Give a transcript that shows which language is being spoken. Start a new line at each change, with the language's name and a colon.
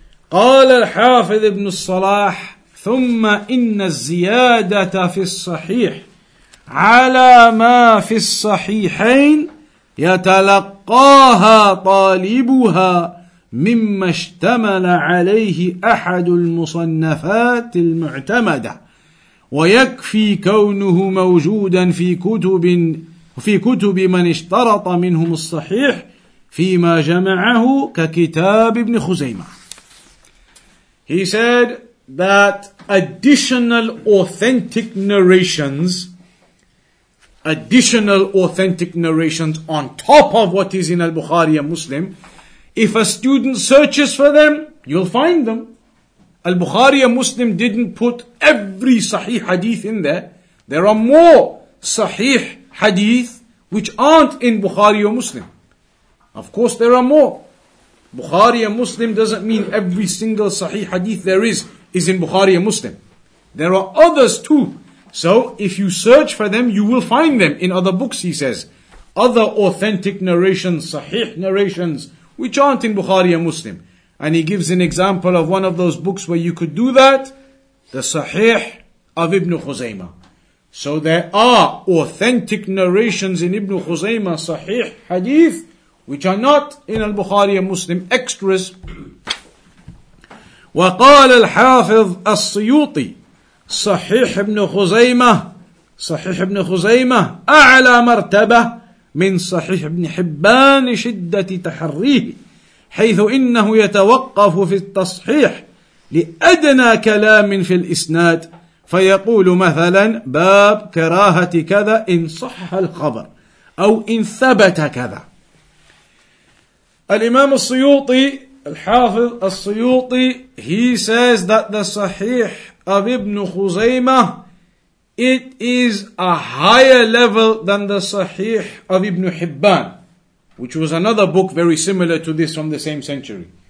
Arabic: قال الحافظ ابن الصلاح ثم إن الزيادة في الصحيح على ما في الصحيحين يتلقاها طالبها مما اشتمل عليه أحد المصنفات المعتمدة ويكفي كونه موجودا في كتب من اشترط منهم الصحيح فيما جمعه ككتاب ابن خزيمة.
English: He said that additional authentic narrations on top of what is in Al-Bukhari and Muslim, if a student searches for them, you'll find them. Al-Bukhari and Muslim didn't put every sahih hadith in there. There are more sahih hadith which aren't in Bukhari or Muslim. Of course there are more. Bukhari and Muslim doesn't mean every single sahih hadith there is in Bukhari and Muslim. There are others too. So if you search for them, you will find them in other books, he says. Other authentic narrations, sahih narrations, which aren't in Bukhari and Muslim. And he gives an example of one of those books where you could do that, the sahih of Ibn Khuzaymah. So there are authentic narrations in Ibn Khuzaymah, sahih hadith, which are not in Al-Bukhari and Muslim, extras.
Arabic: وقال الحافظ الصيوطي صحيح ابن خزيمة صحيح ابن خزيمة أعلى مرتبة من صحيح ابن حبان شدة تحريه حيث إنه يتوقف في التصحيح لأدنى كلام في الإسناد فيقول مثلا باب كراهة كذا إن صح الخبر أو إن ثبت كذا.
English: الإمام السيوطي, الحافظ السيوطي, he says that the صحيح of Ibn Khuzaymah, it is a higher level than the Sahih of Ibn Hibban, which was another book very similar to this from the same century.